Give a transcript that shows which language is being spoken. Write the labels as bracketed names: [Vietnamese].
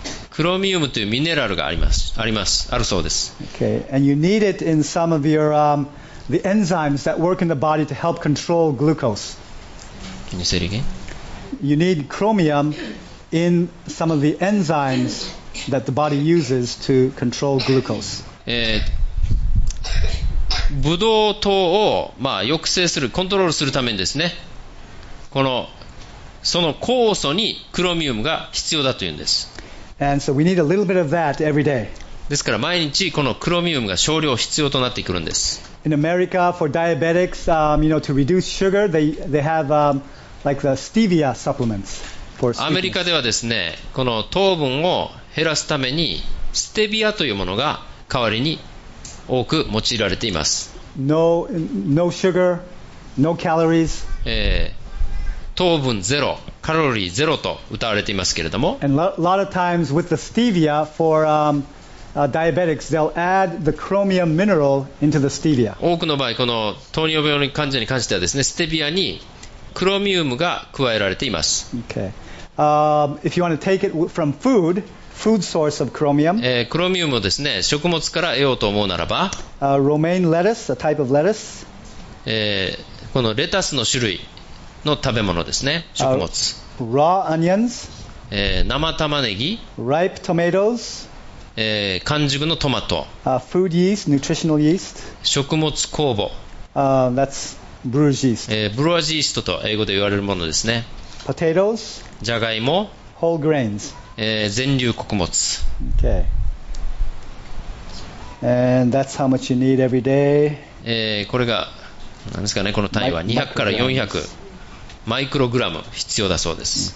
[Japanese] クロミウムというミネラルがあります。あります。あるそうです。 [English] Okay. And you need it in some of your the enzymes that work in the body to help control glucose. Can you say it again? You need chromium in some of the enzymes that the body uses to control glucose. [Japanese] ブドウ糖を、まあ、抑制するコントロールするためにですね、このその酵素にクロミウムが必要だというんです。 [English] And so we need a little bit of that every day. [Japanese] ですから毎日このクロミウムが少量必要となってくるんです。 [English] In America, for diabetics, you know, to reduce sugar, they have like the stevia supplements for sweetness. [Japanese] アメリカではですね、この糖分を減らすためにステビアというものが代わりに多く用いられています。 [English] No sugar, no calories. [Japanese] 糖分ゼロ、カロリーゼロと歌われていますけれども。 [English] And a lot of times with the stevia for diabetics, they'll add the chromium mineral into the stevia. [Japanese] 多くの場合、この糖尿病の患者に関してはですね、ステビアにクロミウムが加えられています。 [English] Okay. If you want to take it from food. Food source of chromium. [Japanese] クロミウムをですね、食物から得ようと思うならば、 [English] romaine lettuce, a type of lettuce. [Japanese] このレタスの種類の食べ物ですね、食物。 [English] raw onions. [Japanese] 生玉ねぎ。 [English] ripe tomatoes. [Japanese] 完熟のトマト。 [English] food yeast, nutritional yeast. [Japanese] 食物酵母。 [English] that's brewer's yeast. [Japanese] ブルワージーストと英語で言われるものですね。 [English] potatoes. [Japanese] じゃがいも。 [English] whole grains. [Japanese] 全粒穀物。 [English] Okay. And that's how much you need every day. [Japanese] これが何ですかね、この単位は200から400マイクログラム必要だそうです。